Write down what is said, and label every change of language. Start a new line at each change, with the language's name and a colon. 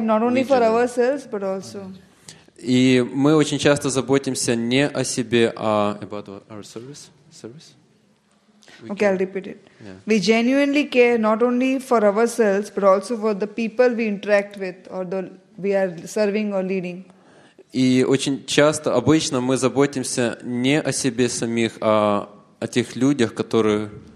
English: not only for ourselves, but also.
Russian: И мы очень часто заботимся не о себе, а
English: about our service. Yeah. We genuinely care not only for ourselves, but also for the people we interact with or the we are serving or leading.
Russian: И очень часто, обычно мы заботимся не о себе самих, а о тех людях, которые.